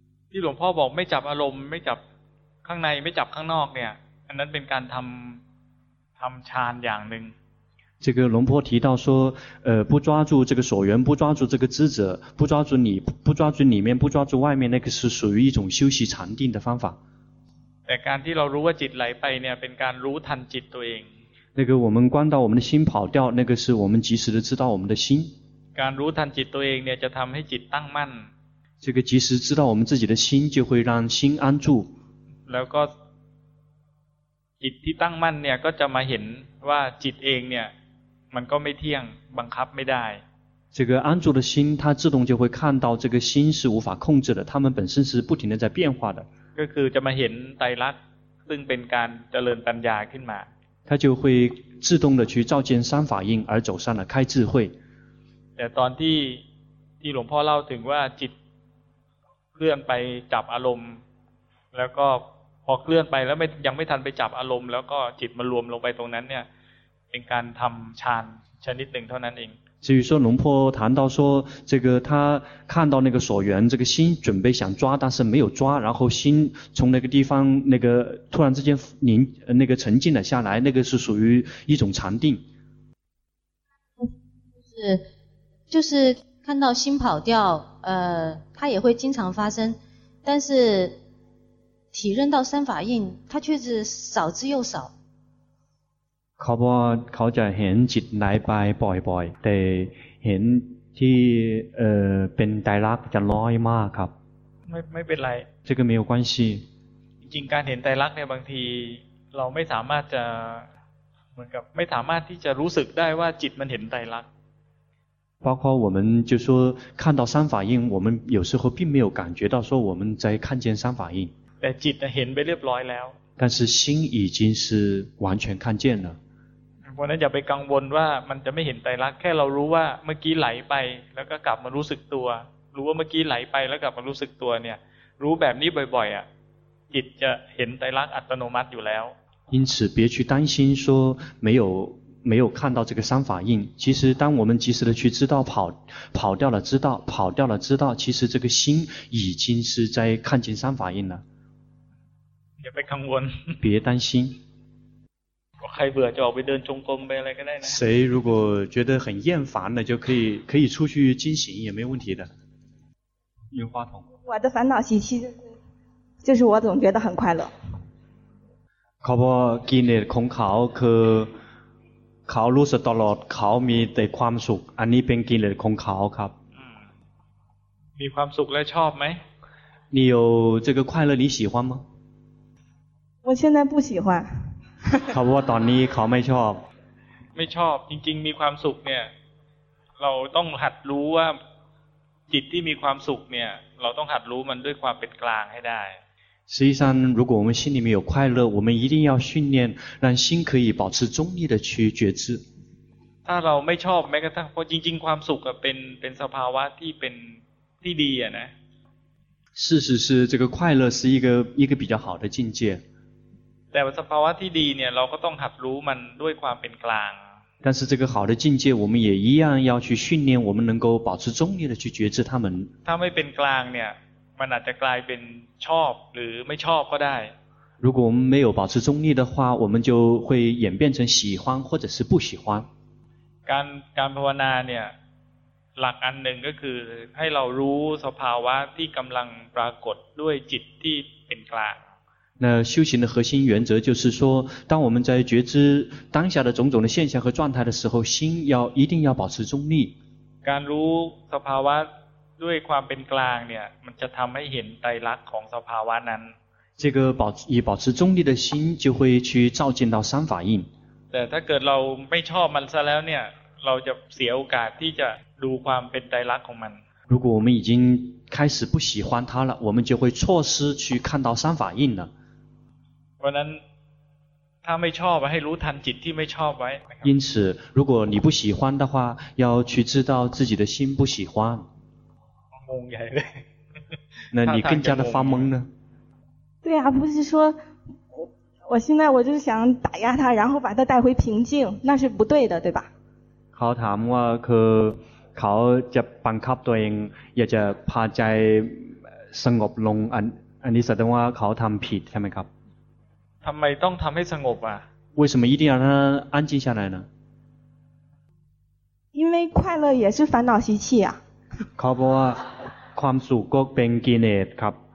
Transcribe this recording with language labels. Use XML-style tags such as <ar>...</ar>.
<th>ที่หลวงพ่อบอกไม่จับอารมณ์ไม่จับข้างในไม่จับข้างนอกเนี่ยอันนั้นเป็นการทำฌานอย่างหนึ่ง</th> <zh>这个龙婆提到说不抓住这个所缘不抓住这个知者不抓住你不抓住里面不抓住外面那个是属于一种休息禅定的方法</zh> <th>แต่การที่เรารู้ว่าจิตไหลไปเนี่ยเป็นการรู้ทันจิตตัวเอง นั่นคือ</th> <zh>我们观到我们的心跑掉那个是我们及时的知道我们的心</zh> <th>การรู้ทันจิตตัวเองเนี่ยจะทำให้จิตตั้งมั่น</th> <zh>这个及时知道我们自己的心，就会让心安住。</zh> <th>แล้วก็จิตที่ตั้งมั่นเนี่ยก็จะมาเห็นว่าจิตเองเนี่ยมันก็ไม่เที่ยงบังคับไม่ได้</th> <zh>这个安住的心它自动就会看到这个心是无法控制的它们本身是不停的在变化的</zh> <th>ก็คือจะมาเห็นไตรลักษณ์ซึ่งเป็นการเจริญปัญญาขึ้นมา</th> <zh>它就会自动的去照见三法印而走上了开智慧</zh> <th>แต่ตอนที่หลวงพ่อเล่าถึงว่าจิตเคลื่อนไปจับอารมณ์แล้วก็พอเคลื่อนไปแล้วยังไม่ทันไปจับอารมณ์แล้วก็จิตมารวมลงไปตรงนั้นเนี่ยเป็นการทำฌานชนิดหนึ่งเท่านั้นเอง</th> <zh>至于说龙婆谈到说这个他看到那个所缘这个心准备想抓但是没有抓然后心从那个地方那个突然之间凝那个沉静了下来那个是属于一种禅定就是看到心跑掉它也会经常发生但是体认到三法印它却是少之又少</zh> <th>เขาบอกเขาจะเห็นจิตไหลไปบ่อยๆแต่เห็นที่เป็นไตรลักษณ์จะน้อยมากครับ ไม่เป็นไร</th> <zh>这个没有关系</zh> <th>จริงการเห็นไตรลักษณ์เนี่ยบางทีเราไม่สามารถจะเหมือนกับไม่สามารถที่จะรู้สึกได้ว่าจิตมันเห็นไตรลักษณ์</th> <zh>包括我们就说看到三法印我们有时候并没有感觉到说我们在看见三法印</zh> <th>แต่จิตเห็นไปเรียบร้อยแล้ว</th> <zh>但是心已经是完全看见了</zh> <th>เพราะนั้นอย่าไปกังวลว่ามันจะไม่เห็นไตรลักษณ์แค่เรารู้ว่าเมื่อกี้ไหลไปแล้วก็กลับมารู้สึกตัวรู้ว่าเมื่อกี้ไหลไปแล้วกลับมารู้สึกตัวเนี่ยรู้แบบนี้บ่อยๆอ่ะจิตจะเห็นไตรลักษณ์อัตโนมัติอยู่แล้ว</th> <zh>因此别去担心说没有看到这个三法印其实当我们及时的去知道跑掉了知道其实这个心已经是在看见三法印了</zh> <th>อย่าไปกังวล</th> <zh>别担心</zh> <th>ใครเบื่อจะออกไปเดินจงกรมไปอะไรก็ได้นะ</th> <zh>谁如果觉得很厌烦的就可以出去进行也没问题的有话筒我的烦恼习气就是我总觉得很快乐</zh> <th>เขาบอกกินเนตของเขาคือเขารู้สึกตลอดเขามีแต่ความสุขอันนี้เป็นกินเนตของเขาครับ มีความสุขและชอบไหม</th> <zh>你有这个快乐你喜欢吗我现在不喜欢</zh> <th>เขาบอกว่าตอนนี้เขาไม่ชอบ ไม่ชอบจริงๆมีความสุขเนี่ยเราต้องหัดรู้ว่าจิตที่มีความสุขเนี่ยเราต้องหัดรู้มันด้วยความเป็นกลางให้ได้</th> <zh>实际上如果我们心里面有快乐我们一定要训练让心可以保持中立的去觉知</zh> <th>ถ้าเราไม่ชอบแม้กระทั่งเพราะจริงๆความสุขเป็นสภาวะที่ดีอ่ะนะ</th> <zh>事实是这个快乐是一个比较好的境界</zh> <th>แต่สภาวะที่ดีเนี่ยเราก็ต้องหัดรู้มันด้วยความเป็นกลาง</th> <zh>但是这个好的境界我们也一样要去训练我们能够保持中立的去觉知它们</zh> <th>ถ้าไม่เป็นกลางเนี่ยมันอาจจะกลายเป็นชอบหรือไม่ชอบก็ได้</th> <zh>如果我们没有保持中立的话我们就会演变成喜欢或者是不喜欢</zh> <th>การภาวนาเนี่ยหลักอันหนึ่งก็คือให้เรารู้สภาวะที่กำลังปรากฏด้วยจิตที่เป็นกลาง</th> <zh>那修行的核心原则就是说当我们在觉知当下的种种的现象和状态的时候心要一定要保持中立</zh> <th>การรู้สภาวะด้วยความเป็นกลางเนี่ยมันจะทำให้เห็นไตรลักษณ์ของสภาวะนั้น</th> <zh>这个保持中立的心就会去照见到三法印</zh> <th>แต่ถ้าเกิดเราไม่ชอบมันซะแล้วเนี่ยเราจะเสียโอกาสที่จะดูความเป็นไตรลักษณ์ของมัน</th> <zh>如果我们已经开始不喜欢它了我们就会错失去看到三法印了</zh> <th>เพราะนั้นถ้าไม่ชอบให้รู้ทันจิตที่ไม่ชอบไว้</th> <zh>因此如果你不喜欢的话要去知道自己的心不喜欢</zh> <th>งงใหญ่เลย</th> <zh>那你更加的发懵呢对啊不是说我现在我就是想打压他然后把他带回平静那是不对的对吧</zh> <th>เขาถามว่าคือเขาจะบังคับตัวเองอยากจะพาใจสงบลงอันนี้แสดงว่าเขาทำผิดใช่ไหมครับ ทำไมต้องทำให้สงบอ่ะ</th> <zh>为什么一定要让他安静下来呢因为快乐也是烦恼习气啊</zh> <th>เขาบอกว่าความสุขก็เป็นกิเลสครับ</th>